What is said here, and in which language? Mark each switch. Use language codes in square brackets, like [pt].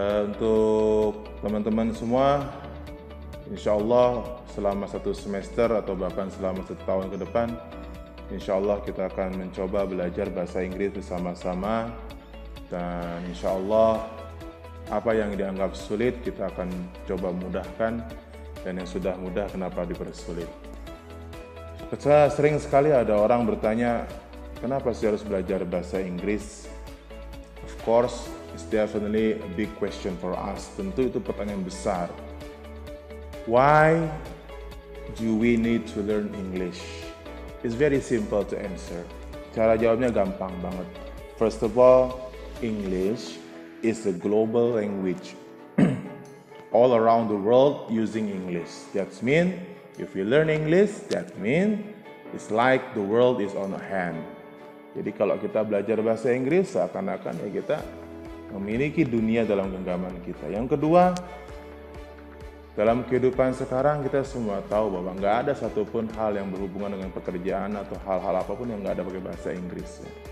[id] Untuk teman-teman semua, insya Allah selama satu semester atau bahkan selama satu tahun ke depan, insya Allah kita akan mencoba belajar bahasa Inggris bersama-sama. Dan insya Allah apa yang dianggap sulit kita akan coba mudahkan, dan yang sudah mudah kenapa dipersulit. Sering sekali ada orang bertanya, kenapa sih harus belajar bahasa Inggris? [en] Of course, it's definitely a big question for us. [id] Tentu itu pertanyaan besar. [en] Why do we need to learn English? It's very simple to answer. [id] Cara jawabnya gampang banget. [en] First of all, English is a global language. All around the world using English. That means if you learn English, that means it's like the world is on a hand. [id] Jadi kalau kita belajar bahasa Inggris, seakan-akan ya kita memiliki dunia dalam genggaman kita. Yang kedua, dalam kehidupan sekarang kita semua tahu bahwa nggak ada satupun hal yang berhubungan dengan pekerjaan atau hal-hal apapun yang nggak ada pakai bahasa Inggris.